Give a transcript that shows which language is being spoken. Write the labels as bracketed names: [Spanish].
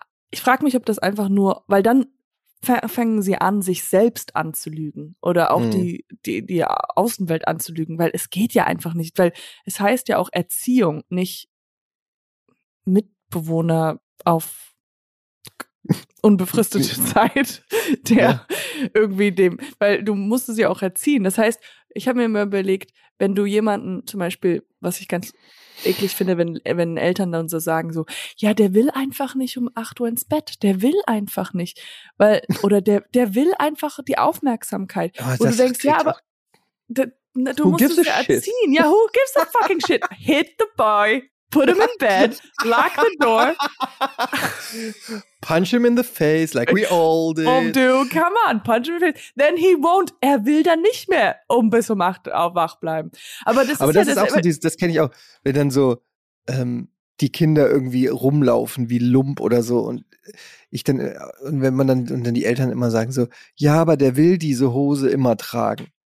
[German] Ich frage mich, ob das einfach nur, weil dann fangen sie an, sich selbst anzulügen oder auch die Außenwelt anzulügen, weil es geht ja einfach nicht, weil es heißt ja auch Erziehung, nicht Mitbewohner auf unbefristete Zeit, irgendwie dem, weil du musstest sie auch erziehen. Das heißt, ich habe mir immer überlegt, wenn du jemanden zum Beispiel, was ich ganz eklig finde, wenn Eltern dann so sagen, so, ja, der will einfach nicht um 8 Uhr ins Bett, der will einfach nicht, weil, oder der will einfach die Aufmerksamkeit. Aber und du denkst, ja, aber du musst es ja erziehen. [English] Ja, who gives a fucking shit? Hit the boy. Put him in bed, lock the door. Punch him in the face, like we all did. Oh, dude, come on, punch him in the face. Then he won't, [German] er will dann nicht mehr um bis um 8 auch wach bleiben. Aber das kenne ich auch, wenn dann so die Kinder irgendwie rumlaufen wie Lump oder so und wenn die Eltern immer sagen so, ja, aber der will diese Hose immer tragen.